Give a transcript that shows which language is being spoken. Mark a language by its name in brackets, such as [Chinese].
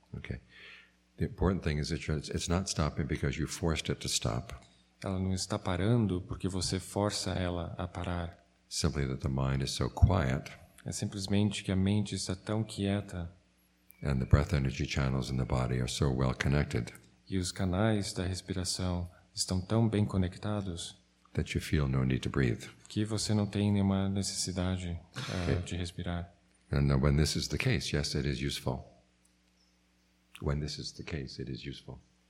[English] okay, the important thing is that it's not stopping because you forced it to stop. [Portuguese] Ela não está parando porque você força ela a parar. [English] Simply that the mind is so quiet. [Portuguese] É simplesmente que a mente está tão quieta. [English] And the breath energy channels in the body are so well connected. [Portuguese] E os canais da respiração estão tão bem conectados. [English] That you feel no need to breathe. [Portuguese] Que você não tem nenhuma necessidade de respirar. [English] And when this is the case, yes, it is useful. When this is the case, it is useful.